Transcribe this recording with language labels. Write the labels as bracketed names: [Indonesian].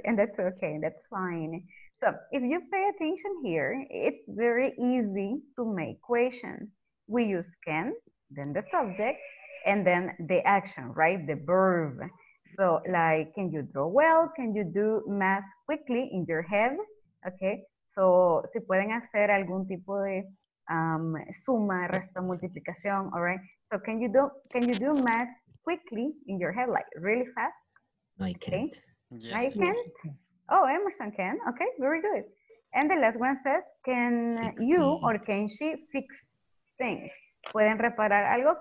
[English] And that's okay, that's fine. So if you pay attention here, it's very easy to make questions. We use can, then the subject, and then the action, right? The verb. So like, can you draw well? Can you do math quickly in your head? Okay, so [Spanish] si pueden hacer algún tipo de suma, resta, multiplicación, [English] all right? So can you do math quickly in your head, like really fast? No, I can't. Okay. Yes, I can't. Oh, Emerson can. Okay, very good. And the last one says, can fix you me. Or can she fix things? [Spanish] ¿Pueden reparar algo?